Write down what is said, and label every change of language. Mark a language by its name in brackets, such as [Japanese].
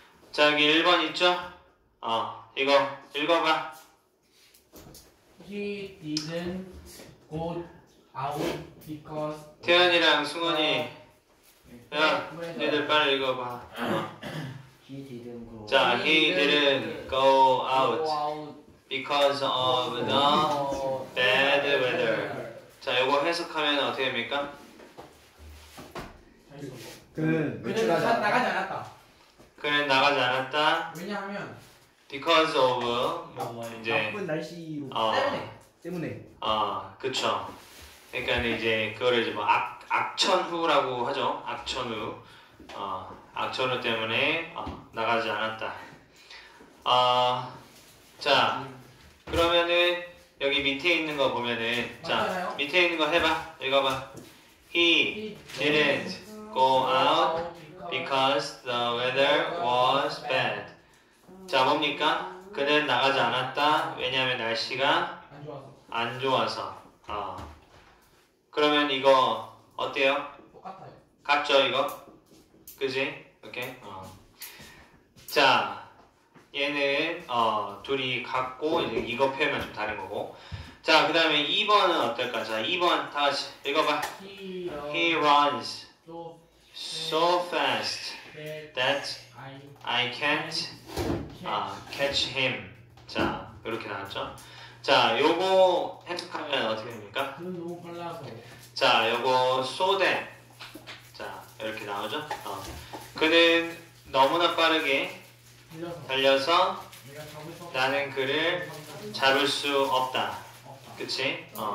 [Korean] 자, 여기 1번 있죠? 이거 읽어봐. [English] He didn't go out because [Korean] 태연이랑 승원이 야, 너희들 빨리 읽어봐. [English] He didn't go. [Korean] 자, [English] he didn't go out because of the bad weather. [Korean] 자, 이거 해석하면 어떻게 됩니까? 그는 나가지 않았다. 그는 나가지 않았다. 왜냐하면 [English] because of [Korean] 뭐 이제 나쁜 날씨로 때문에. 그쵸. 그러니까 이제 그거를 이제 뭐 악천후라고 하죠. 악천후. 악천후 때문에 나가지 않았다. 자, 그러면은 여기 밑에 있는 거 보면은 맞잖아요? 자, 밑에 있는 거 해봐. 읽어봐. [English] He didn't go out because the weather was bad. [Korean] 자, 뭡니까? 그는 나가지 않았다. 왜냐하면 날씨가 안 좋아서. 그러면 이거 어때요? 똑같아요. 같죠, 이거? 그지? 오케이. 자, 얘는 둘이 같고 이제 이거 표현만 좀 다른 거고. 자, 그 다음에 2번은 어떨까? 자, 2번 다 같이 읽어봐. [English] He runs so fast that I can't catch him. [Korean] 자, 이렇게 나왔죠? 자, 요거 해석하면 어떻게 됩니까? 너무 빨라서. 자, 요거 so that. 자, 이렇게 나오죠? 그는 너무나 빠르게 달려서 나는 그를 잡을 수 없다. 그치?